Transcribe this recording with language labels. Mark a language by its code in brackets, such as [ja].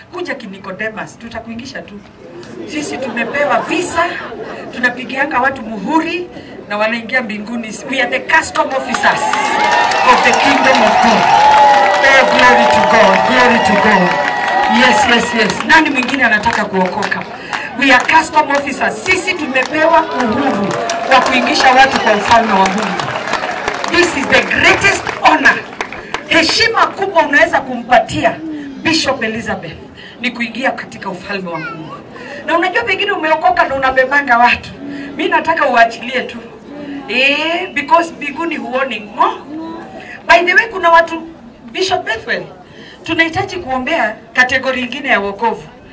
[sw] Kuja kinikodemas, tutakuingisha tu. Sisi tumepewa visa, tunapigianga watu muhuri na wanaingia mbinguni. [en] We are the custom officers of the kingdom of God. Glory to God, glory to God. Yes, yes, yes. [sw] Nani mwingine anataka kuokoka? [en] We are custom officers. [sw] Sisi tumepewa uhuru wa kuingisha watu kwa ufalme wa Mungu. [en] This is the greatest honor. [sw] Heshima kubwa unaweza kumpatia Bishop Elizabeth ni kuingia katika ufalme wa Mungu. Na unajua pengine umeokoka na unabebanga watu. Mimi nataka uachilie tu. Because biguni huoni mo. By the way, kuna watu Bishop Bethwell, tunahitaji kuombea kategori ingine ya wokovu.